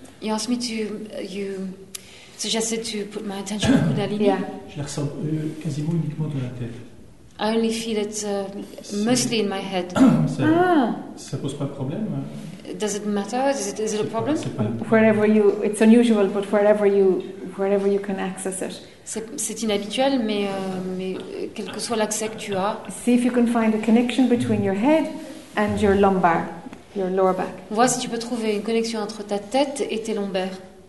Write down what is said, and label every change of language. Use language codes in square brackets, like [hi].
[en] You asked me to you suggested to put my attention on Kundalini. Yeah. [fr] Je la ressens quasiment uniquement dans la tête. [en] I only feel it mostly in my head. [fr] Ça pose pas de problème. [en] Does it matter? Is it a problem? Wherever you, it's unusual, but wherever you can access it. [fr] C'est inhabituel, mais quel que soit l'accès que tu as. [en] See if you can find a connection between your head and your lumbar, your lower back. [fr] Vois si tu peux trouver une connexion entre ta tête et tes lombaires.